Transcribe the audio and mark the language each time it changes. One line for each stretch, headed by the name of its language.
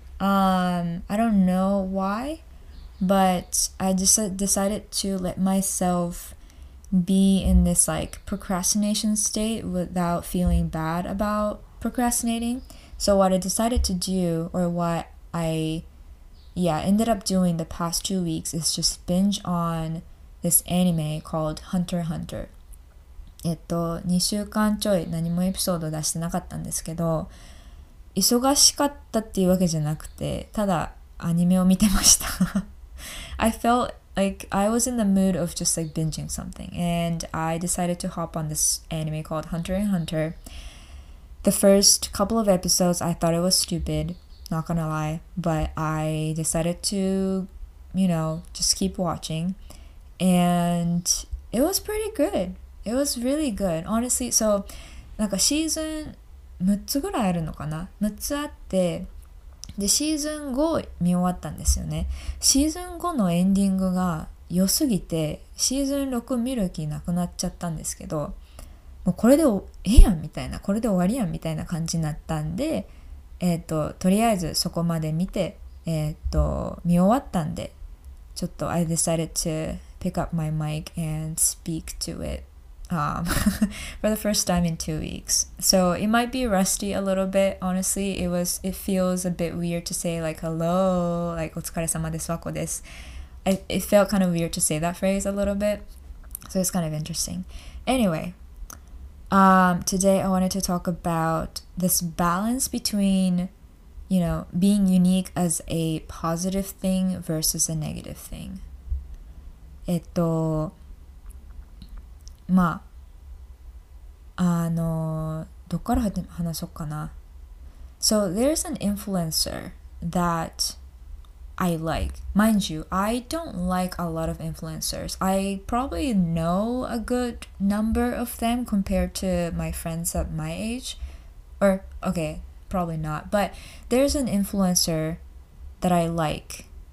English: I don't know why, but I just decided to let myself be in this like procrastination state without feeling bad about procrastinating. So what I decided to do, or what I ended up doing the past 2 weeks is just binge on this anime called Hunter x Hunter.
Japanese: 2週間ちょい何もエピソード出してなかったんですけど、忙しかったっていうわけじゃなくて、ただアニメを見てました。
English: I felt like I was in the mood of just like binging something, and I decided to hop on this anime called Hunter x Hunter. The first couple of episodes, I thought it was stupid. Not gonna lie, but I decided to, you know, just keep watching. And it was pretty good. It was really good, honestly.
Japanese: So, なんかシーズン6つぐらいあるのかな ?6 つあって、で、シーズン5見終わったんですよね。シーズン5のエンディングが良すぎて、シーズン6見る気なくなっちゃったんですけど、もうこれでええやんみたいな、これで終わりやんみたいな感じになったんで、とりあえずそこまで見て、見終わったんで、ちょっと
English: I decided to pick up my mic and speak to it for the first time in 2 weeks. So it might be rusty a little bit, honestly. It feels a bit weird to say like hello, like
Japanese: お疲れ様です、わこです。
English: It felt kind of weird to say that phrase a little bit. So it's kind of interesting. Anyway. Today I wanted to talk about this balance between, you know, being unique as a positive thing versus a negative thing.
Japanese: まあ、どっから話そうかな。
English: So there's an influencer that I like. Mind you, I don't like a lot of influencers. I probably know a good number of them compared to my friends at my age. Or, okay, probably not. But there's an influencer that I like.